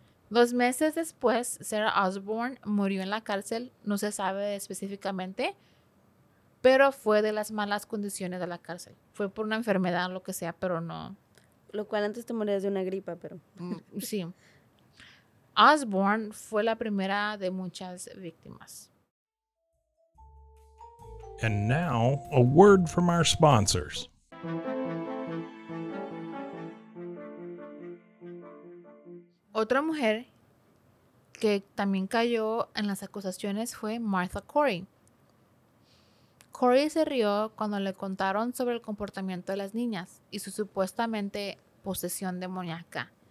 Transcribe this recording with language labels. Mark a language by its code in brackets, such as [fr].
[es] 2 meses después, Sarah Osborne murió en la cárcel, no se sabe específicamente, pero fue de las malas condiciones de la cárcel. Fue por una enfermedad, lo que sea, pero no. Lo cual antes te morías de una gripa, pero. Sí. Osborne fue la primera de muchas víctimas. [en] And now, a word from our sponsors. [es] Otra mujer que también cayó en las acusaciones fue Martha Corey. Corey se rió cuando le contaron sobre el comportamiento de las niñas y su supuestamente posesión demoníaca.